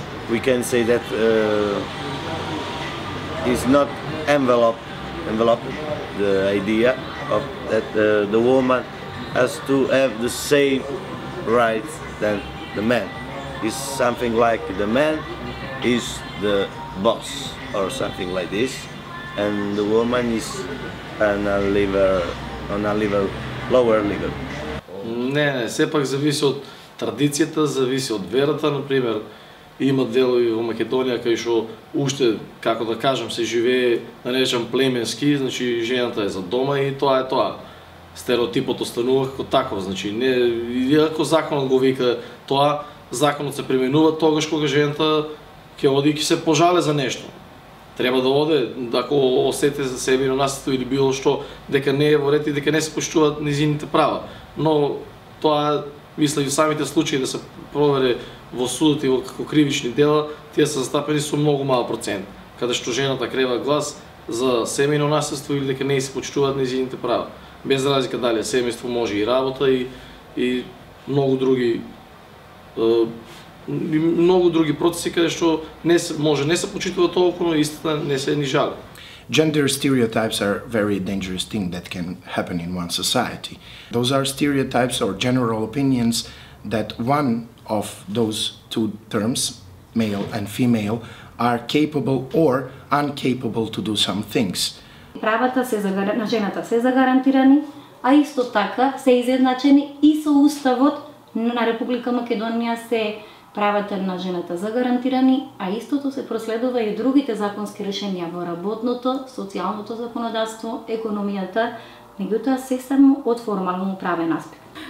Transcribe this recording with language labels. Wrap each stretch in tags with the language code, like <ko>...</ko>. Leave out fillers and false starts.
<en>We can say that it's not enveloped the idea of that the woman has to have the same rights than the man. It's something like the man is the boss or something like this, and the woman is on a lower level.</en> <mk>Не, сепак зависи од традицијата, зависи од верата, например. Има делови во Македонија кај што уште, како да кажам, се живее, да не речам, племенски, значи жената е за дома и тоа е тоа. Стереотипот останува како таков, значи не, иако законот го вика тоа, законот се применува тогаш кога жената ќе оди и ќе се пожале за нешто. Треба да оде, ако осети за себе на насето или било што, дека не е во ред и дека не се поштуваат нејзините права. Но тоа, мисля, и самите случаи да се провери во судот и во како кривични дела, тие се застапени со многу мал процент, каде што жената крева глас за семејно наследство или дека не се почитуваат нејзините права. Без разлика дали семејство може и работа и многу други процеси каде што не се може не се почитува толку, но истина не се ни жали.</mk> <en>Gender stereotypes are very dangerous thing that can happen in one society. Those are stereotypes or general opinions that one of those two terms, male and female, are capable or incapable to do some things.</en> <mk>Правата се на жената се загарантирани, а исто така се изедначени и со Уставот на Република Македонија се правата на жената загарантирани, а истото се проследува и другите законски решенија во работното, социјалното законодавство, економијата, меѓутоа се само од формално правен аспект.</mk>